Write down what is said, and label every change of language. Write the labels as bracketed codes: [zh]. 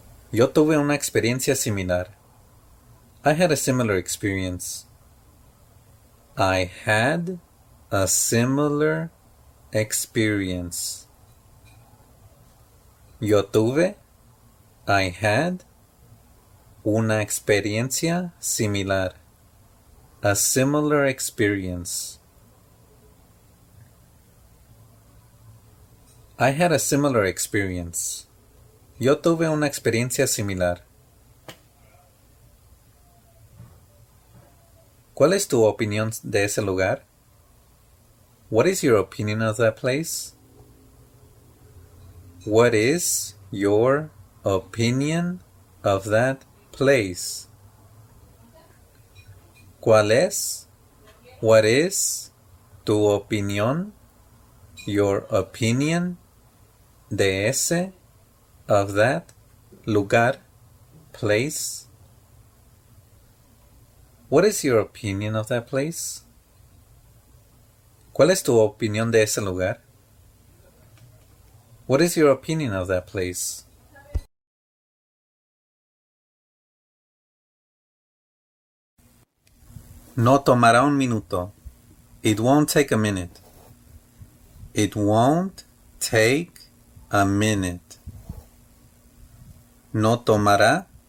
[es] Yo tuve una experiencia similar. [en] I had a similar experience. I had a similar experience. [es] Yo tuve. [en] I had [es] una experiencia similar, [en] a similar experience. I had a similar experience. [es] Yo tuve una experiencia similar. ¿Cuál es tu opinión de ese lugar? [en] What is your opinion of that place? What is your opinion of that place? [es] ¿Cuál es? [en] What is [es] tu opinión? [en] Your opinion [es] de ese [en] of that [es] Lugar, [en] place. What is your opinion of that place? [es] ¿Cuál es tu opinión de ese lugar? [en] What is your opinion of that place? [es] No tomará un minuto. [en] It won't take a minute. It won't take a minute. [es] No tomará.